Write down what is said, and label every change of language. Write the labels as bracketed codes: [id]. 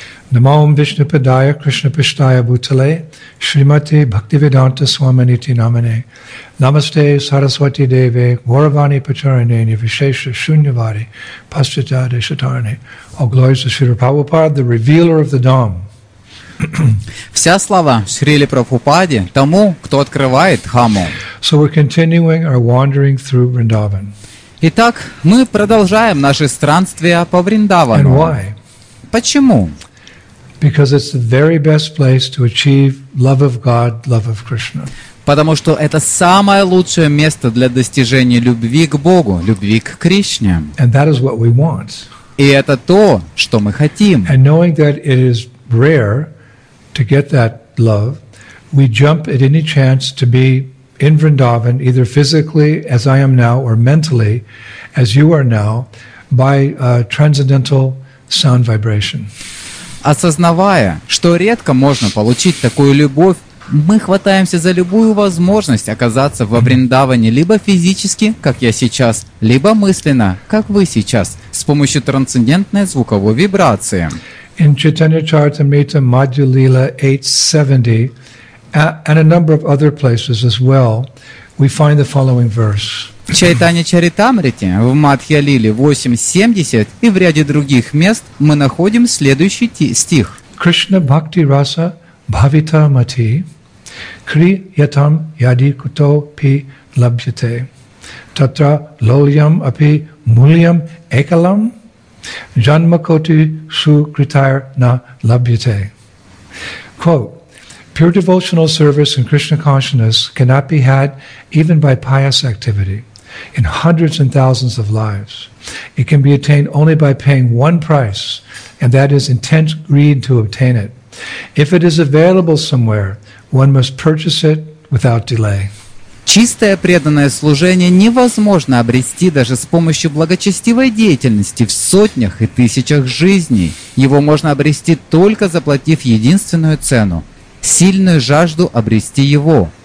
[sa] Namo Vishnupadaya Krishna Pishtaya Bhutale Shrimati Bhaktivedanta Swaminiti Namane Namaste Saraswati Deve Gauravani Pacharane Nivishesha Shunyavadi Paschitade Shatarane [en] All glories to Srila Prabhupada, the revealer of the Dham. [ru] Вся слава Шриле Прабхупаде, тому, кто открывает Дхаму. [en] So we're continuing our wandering through Vrindavan. [ru] Итак, мы продолжаем наши странствия по Вриндавану. [en] And why? [ru] Почему? [en] Because it's the very best place to achieve love of God, love of Krishna. [ru] Потому что это самое лучшее место для достижения любви к Богу, любви к Кришне. [en] And that is what we want. [ru] И это то, что мы хотим. [en] And knowing that it is rare to get that love, we jump at any chance to be in Vrindavan, either physically, as I am now, or mentally, as you are now, by a transcendental sound vibration. [ru] Осознавая, что редко можно получить такую любовь, мы хватаемся за любую возможность оказаться во Вриндаване либо физически, как я сейчас, либо мысленно, как вы сейчас, с помощью трансцендентной звуковой вибрации. [en] In Chaitanya Charitamrita Madhulila 870 and a number of other places as well, we find the following verse. [ru] В Чайтане Чаритамрите, в Мадхьялиле 8.70 и в ряде других мест мы находим следующий стих. [sa] Кришна Бхакти Раса Бхавита Мати Кри Ятам Яди Куто Пи Лабьяте Татра Лольям Апи Мульям Экалам Джанма Коти Су Критайр На Лабьяте. [en] Quote, pure devotional service in Krishna consciousness cannot be had even by pious activity. In hundreds and thousands of lives. It can be attained only by paying one price, and that is intense greed to obtain it. If it is available somewhere, one must purchase it without delay. [ru] Чистое преданное служение невозможно обрести даже с помощью благочестивой деятельности в сотнях и тысячах жизней. Его можно обрести только заплатив единственную цену – сильную жажду обрести его.